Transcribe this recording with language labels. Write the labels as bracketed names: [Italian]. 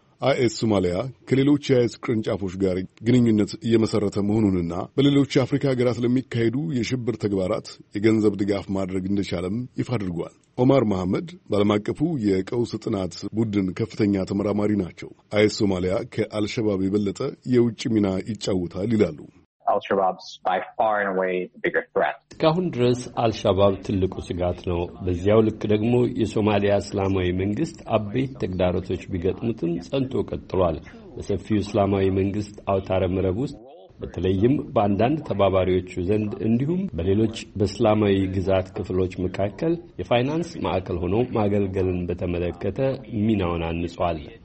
[Amharic] አይኤስ ሶማሊያ ከሌሎች የአይኤስ ቅርንጫፎች ጋር ግንኙነት እየመሰረተ መሆኑንና በሌሎች የአፍሪካ ሀገራት ለሚካሄዱ የሽብር ተግባራት የገንዘብ ድጋፍ ማድረግ እንደቻለም ይፋ አድርጓል። ኦማር መሐመድ በዓለም አቀፉ የቀውስ ጥናት ቡድን ከፍተኛ ተመራማሪ ናቸው። አይኤስ ሶማሊያ ከአልሸባብ የበለጠ የውጭ ሚና ይጫወታል ይላሉ። [English] Al-Shabaab's by far and away the bigger threat. [Amharic] ካሁን ድረስ አልሸባብ ትልቁ ስጋት ነው። በዚያው ልክ ደግሞ የሶማሊያ እስላማዊ መንግስት አበይት ተግዳሮቶች ቢገጥሙትም ጸንቶ ቀጥሏል። በሰፊው እስላማዊ መንግስት አውታረ መረብ ውስጥ በተለይም በአንዳንድ ተባባሪዎቹ ዘንድ እንዲሁም በሌሎች በእስላማዊ ግዛት ክፍሎች መካከል የፋይናንስ ማዕከል ሆኖ ማገልገልን በተመለከተ ሚናውን አንጿል።